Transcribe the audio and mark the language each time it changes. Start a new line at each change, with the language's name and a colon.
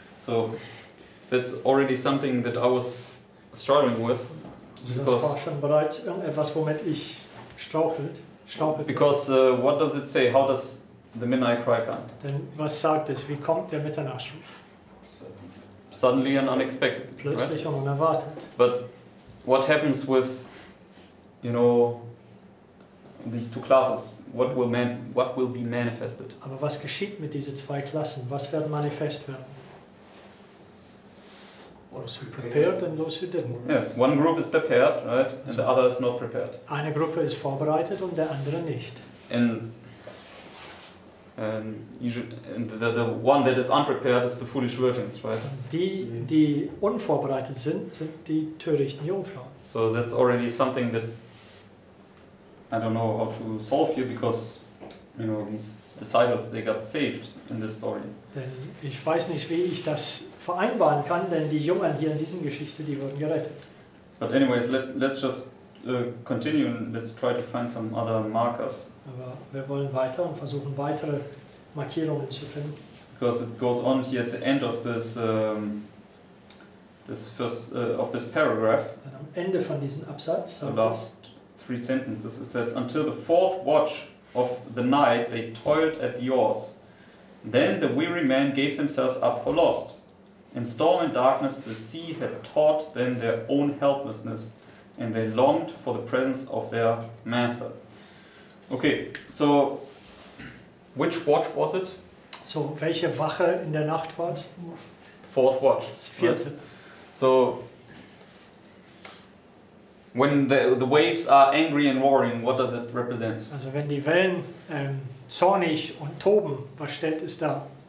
English: So, that's already something that I was struggling with.
German: Also das war schon bereits irgendetwas, womit ich strauchelte.
English: Because what does it say? How does the midnight cry come?
German: Denn was sagt es? Wie kommt der Mitternachtsruf?
English: Suddenly and unexpected.
German: Plötzlich
English: right?
German: Und unerwartet.
English: But what happens with, you know, these two classes? What will be manifested?
German: Aber was geschieht mit diesen zwei Klassen? Was wird manifest werden?
English: Those who prepared and those who didn't. Yes, one group is prepared, right? And the other is not prepared.
German: Eine Gruppe ist vorbereitet und der andere nicht.
English: And the one that is unprepared is the foolish virgins, right?
German: Die unvorbereitet sind die törichten Jungfrauen.
English: So that's already something that I don't know how to solve here, because you know these disciples, they got saved in this story.
German: Denn ich weiß nicht, wie ich das vereinbaren kann, denn die Jungen hier in diesen Geschichte, die wurden gerettet.
English: But anyways, let's just continue and let's try to find some other markers.
German: Aber wir wollen weiter und versuchen weitere Markierungen zu finden.
English: Because it goes on here at the end of this this paragraph.
German: Dann am Ende von diesem Absatz.
English: The last three sentences. It says, until the fourth watch of the night they toiled at the oars. Then the weary men gave themselves up for lost. In storm and darkness, the sea had taught them their own helplessness, and they longed for the presence of their master. Okay, so which watch was it?
German: So, welche Wache in der Nacht war es?
English: Fourth watch.
German: Das vierte.
English: Right? So, when the waves are angry and roaring, what does it represent?
German: Also, wenn die Wellen zornig und toben, was stellt es da?